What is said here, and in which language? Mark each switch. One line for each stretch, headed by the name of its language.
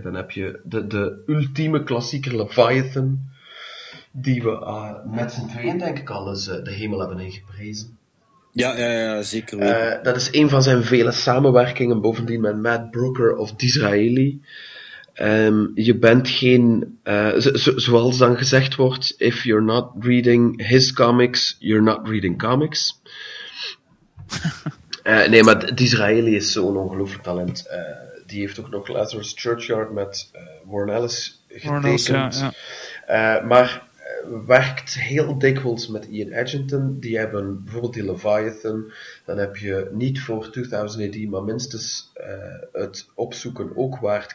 Dutch: Dan heb je de ultieme klassieker Leviathan, die we met z'n tweeën, denk ik, al eens de hemel hebben ingeprezen. Ja, zeker. Dat is een van zijn vele samenwerkingen, bovendien met Matt Brooker of Disraeli. Je bent geen... zoals dan gezegd wordt,
English: if you're not reading his comics, you're not reading comics.
Dutch: Nee, maar Disraeli is zo'n ongelooflijk talent. Die heeft ook nog Lazarus Churchyard met Warren Ellis getekend. Maar... werkt heel dikwijls met Ian Edginton. Die hebben bijvoorbeeld die Leviathan. Dan heb je niet voor 2000 AD, maar minstens het opzoeken ook waard.